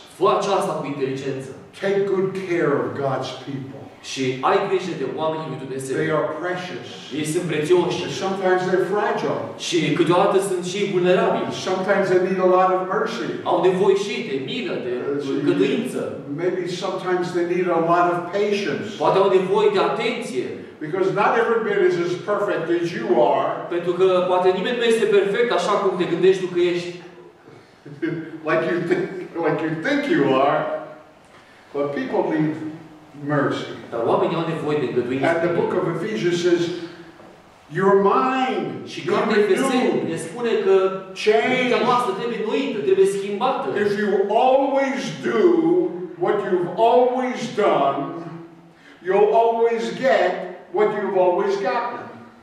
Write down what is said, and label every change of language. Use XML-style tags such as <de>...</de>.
<ro>Fă aceasta cu inteligență.</ro> <en>Take good care of God's people.</en> <ro>Și ai grijă de oamenii lui Dumnezeu.</ro> <en>They are precious.</en> <ro>Ei sunt prețioși.</ro> <en>And sometimes they're fragile.</en> <ro>Și câteodată sunt și vulnerabili.</ro> <en>And sometimes they need a lot of mercy.</en> <ro>Au nevoie și de milă, de îngăduință.</ro> <en>Maybe sometimes they need a lot of patience.</en> <ro>Poate au nevoie de atenție.</ro> <en>Because not everybody is as perfect as you are.</en> <ro>Pentru că poate nimeni nu este perfect așa cum te gândești tu că ești.</ro> <en>like you think you are. But people need mercy.</en> <ro>Dar oamenii au nevoie de îngăduință.</ro> <en>And the book of Ephesians says your mind.</en> <ro>Și cartea Efeseni ne spune că mintea noastră trebuie noită, trebuie schimbată.</ro> <en>If you always do what you've always done, you'll always get what you've always gotten.</en>